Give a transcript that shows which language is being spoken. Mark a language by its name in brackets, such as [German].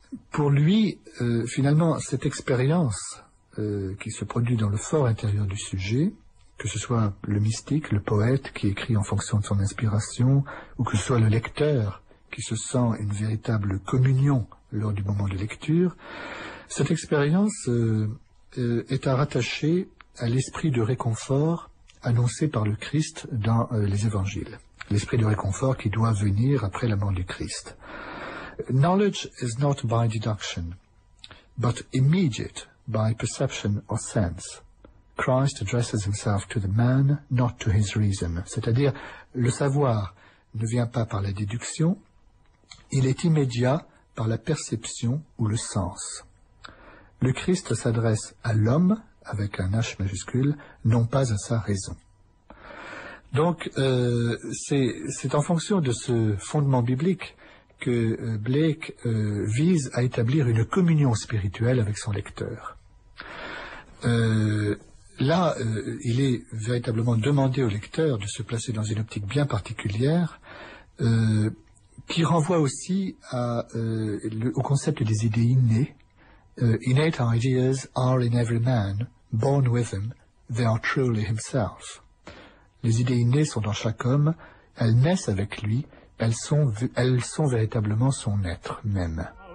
[French] Pour lui, finalement, cette expérience qui se produit dans le fort intérieur du sujet, que ce soit le mystique, le poète qui écrit en fonction de son inspiration, ou que ce soit le lecteur qui se sent une véritable communion lors du moment de lecture, cette expérience est à rattacher à l'esprit de réconfort annoncé par le Christ dans les évangiles. L'esprit de réconfort qui doit venir après la mort du Christ. [English] « Knowledge is not by deduction, but immediate by perception or sense. » Christ addresses himself to the man, not to his reason. [French] C'est-à-dire, le savoir ne vient pas par la déduction, il est immédiat par la perception ou le sens. Le Christ s'adresse à l'homme, avec un H majuscule, non pas à sa raison. Donc, c'est en fonction de ce fondement biblique que Blake vise à établir une communion spirituelle avec son lecteur. Là, il est véritablement demandé au lecteur de se placer dans une optique bien particulière, qui renvoie aussi au concept des idées innées. [English] Innate ideas are in every man, born with him, they are truly himself. [French] Les idées innées sont dans chaque homme, elles naissent avec lui, elles sont véritablement son être même.